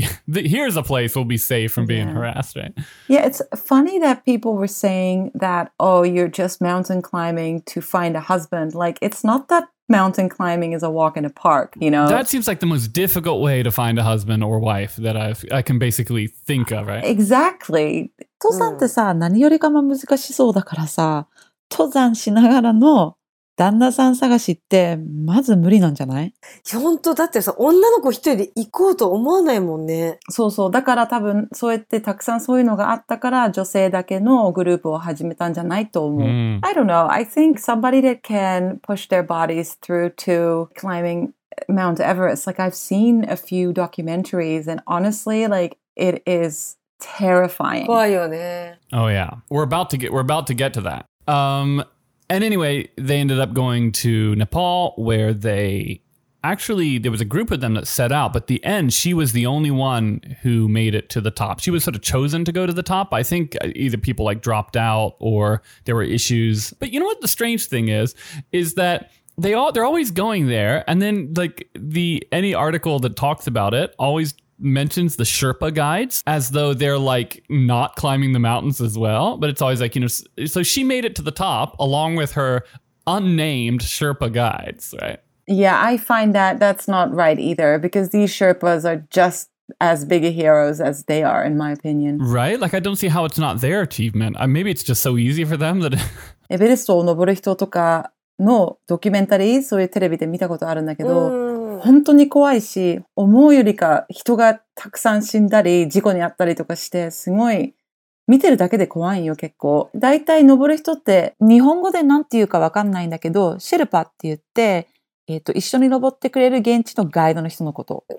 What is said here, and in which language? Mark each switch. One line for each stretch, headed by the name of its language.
English: Here's a place we'll be safe from being harassed, right? Yeah, it's funny that people were saying that, oh, you're just mountain climbing to find a husband. Like, it's not that... Mountain climbing is a walk in a park, you know? That seems like the most difficult way to find a husband or wife that I can basically think of, right? Exactly.
Japanese: 登山ってさ、何よりかも難しそうだからさ、登山しながらの旦那さん探しってまず無理なんじゃない？いや、本当だってさ、女の子一人で行こうと思わないもんね。そうそう、だから多分そうやってたくさんそういうのがあったから女性だけのグループを始めたんじゃないと思う。
English: I don't know. I think somebody that can push their bodies through to climbing Mount Everest. Like, I've seen a few documentaries and honestly, like, it is terrifying.
Japanese: 怖いよね。
English: Oh yeah. We're about to get to that. And anyway, they ended up going to Nepal where they actually, there was a group of them that set out, but the end, she was the only one who made it to the top. She was sort of chosen to go to the top. I think either people like dropped out or there were issues. But you know what the strange thing is that they're always going there. And then like any article that talks about it always mentions the Sherpa guides as though they're like not climbing the mountains as well. But it's always like, you know, so she made it to the top along with her unnamed Sherpa guides, right? Yeah, I find that's not right either, because these Sherpas are just as big a heroes as they are, in my opinion. Right? Like, I don't see how it's not their achievement. Maybe it's just so easy for them that...
Japanese: エベレストを登る人とかのドキュメンタリー、そういうテレビで見たことあるんだけど、本当に怖いし、思うよりか人がたくさん死んだり、事故にあったりとかして、すごい見てるだけで怖いよ、結構。だいたい登る人って、日本語でなんて言うかわかんないんだけど、シェルパって言って、一緒に登ってくれる現地のガイドの人のこと。